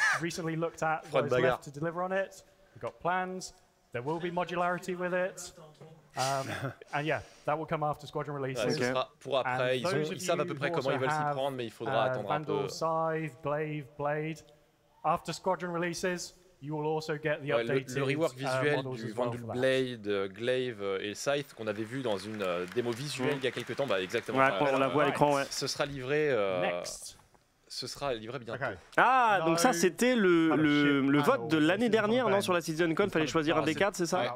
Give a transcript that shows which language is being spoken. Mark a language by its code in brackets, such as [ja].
[en] Recently looked at what is left to deliver on it. We've got plans. There will be modularity with it. And yeah, that will come after squadron releases. [fr] Ce sera pour après. Ils savent à peu près comment ils veulent s'y prendre, mais il faudra attendre un Vandal, peu. Vandal, Scythe, Glaive, Blade. [en] After squadron releases, you will also get the updated [fr] le rework visuel du Vandal Blade, Glaive et Scythe qu'on avait vu dans une démo visuelle il y a quelques temps. Bah, exactement. Ouais, on la voit à l'écran, ouais. Ce sera livré. Ce sera livré bientôt. Okay. Ah, donc ça, c'était le vote de l'année dernière, non, sur la CitizenCon. Il fallait choisir un des quatre, c'est ça?